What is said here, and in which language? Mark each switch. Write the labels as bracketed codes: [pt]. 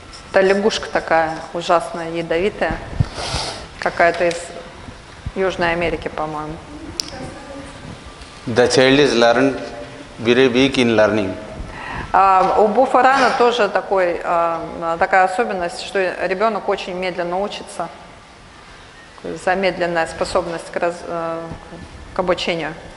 [ru] Это лягушка такая ужасная, ядовитая. Какая-то из Южной Америки, по-моему. [en] The child is learned very weak in learning. [ru] У буфорана тоже такой, такая особенность, что ребенок очень медленно учится. Замедленная способность к обучению.